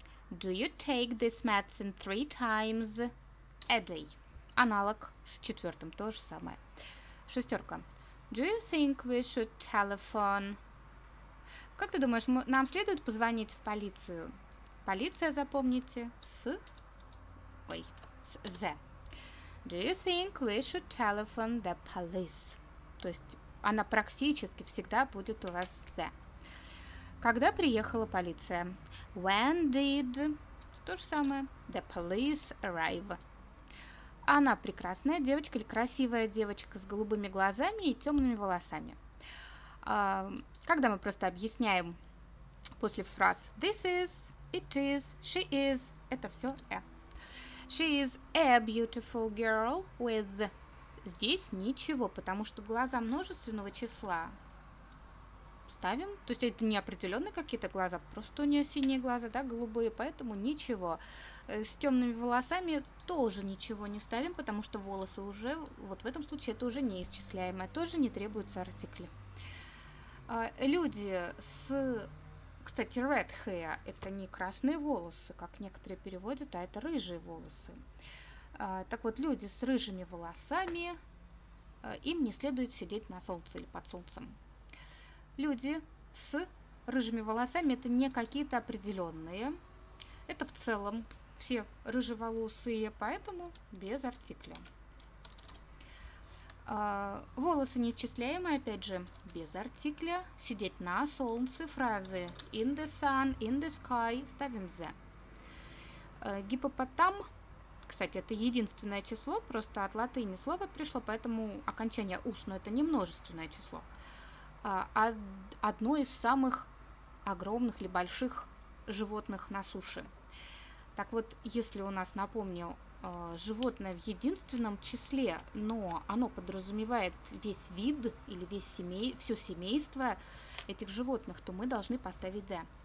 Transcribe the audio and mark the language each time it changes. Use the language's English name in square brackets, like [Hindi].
[English] Do you take this medicine three times a day? [Russian] Аналог с четвертым, то же самое. Шестерка. [English] Do you think we should telephone? [Russian] Как ты думаешь, нам следует позвонить в полицию? Полиция, запомните, с z. [English] Do you think we should telephone the police? [Russian] То есть она практически всегда будет у вас в the. Когда приехала полиция? [English] When did... [Russian] То же самое. [English] The police arrive. [Russian] Она прекрасная девочка или красивая девочка с голубыми глазами и темными волосами. Когда мы просто объясняем после фраз [English] this is, it is, she is, [Russian] это все a. [English] She is a beautiful girl with... [Russian] Здесь ничего, потому что глаза множественного числа ставим. То есть это не определенные какие-то глаза, просто у нее синие глаза, да, голубые, поэтому ничего. С темными волосами тоже ничего не ставим, потому что волосы уже, вот в этом случае это уже неисчисляемое, тоже не требуется артикль. Люди с... Кстати, red hair – это не красные волосы, как некоторые переводят, а это рыжие волосы. Так вот, люди с рыжими волосами, им не следует сидеть на солнце или под солнцем. Люди с рыжими волосами – это не какие-то определенные. Это в целом все рыжеволосые, поэтому без артикля. Волосы неисчисляемые, опять же, без артикля. Сидеть на солнце – фразы [English] in the sun, in the sky [Russian] – ставим the. Гиппопотам – кстати, это единственное число, просто от латыни слово пришло, поэтому окончание «ус», но это не множественное число. Одно из самых огромных или больших животных на суше. Так вот, если у нас, напомню, животное в единственном числе, но оно подразумевает весь вид или весь все семейство этих животных, то мы должны поставить «the».